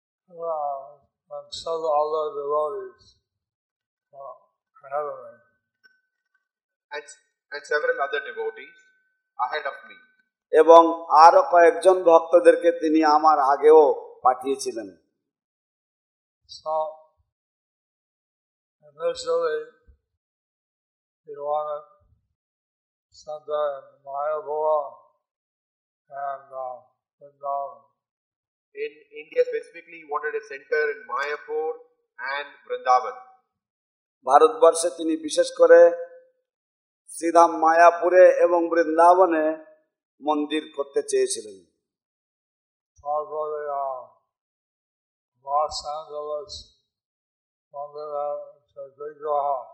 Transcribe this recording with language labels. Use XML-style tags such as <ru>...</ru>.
<en>and some other devotees ahead of me. And several other devotees ahead of me.</en> <bn>এবং আরো কয়েকজন ভক্তদেরকে তিনি আমার আগেও পাঠিয়েছিলেন।</bn> <en>So, initially, he wanted Santa and Mayapur and Vrindavan. In India specifically, he wanted a center in Mayapur and Vrindavan.</en> <bn>ভারতবর্ষে তিনি বিশেষ করে শ্রীধাম মায়াপুরে এবং বৃন্দাবনে মন্দির করতে চেয়েছিলেন। তারপরে লস অ্যাঞ্জেলস মন্দির বিগ্রহ</bn>